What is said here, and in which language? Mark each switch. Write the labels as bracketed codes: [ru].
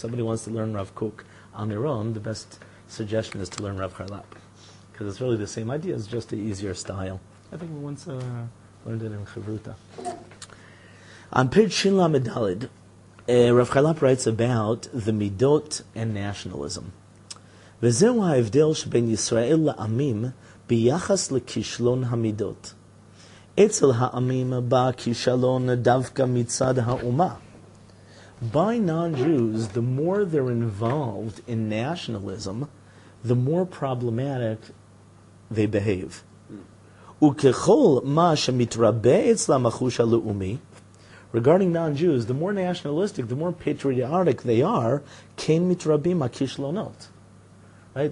[en] If somebody wants to learn Rav Kook on their own, the best suggestion is to learn Rav Karlap, because it's really the same idea, it's just an easier style. I think we once learned it in Chavruta. On page Shin Lamed Daled, Rav Karlap writes about the Midot and nationalism. [he] וזהו ההבדל שבין ישראל לעמים ביחס לכישלון המידות. אצל העמים בא כישלון דווקא מצד האומה. [en] By non-Jews, the more they're involved in nationalism, the more problematic they behave. [he] וככל מה שמתרבה אצל המחוש הלאומי, [en] regarding non-Jews, the more nationalistic, the more patriotic they are, [he] כן מתרבים הכישלונות. [en] Right?